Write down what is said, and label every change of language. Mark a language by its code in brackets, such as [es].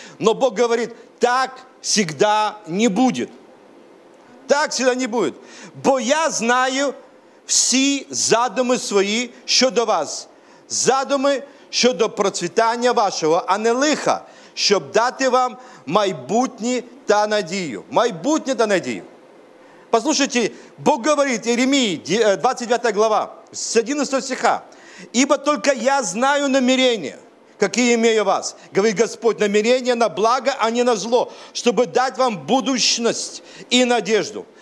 [ru] Но Бог говорит, так всегда не будет. Так всегда не будет. [uk] Бо я знаю все [ru] задумы свои [uk] щодо вас. Задумы щодо [ru] процветания вашего, [uk] а не лиха, щоб дати вам майбутнє та надію. Майбутнє та надію. [ru] Послушайте, Бог говорит, Иеремии, 29 глава, с 11 стиха. «Ибо только я знаю намерения, какие имею вас, говорит Господь, намерения на благо, а не на зло, чтобы дать вам будущность и надежду».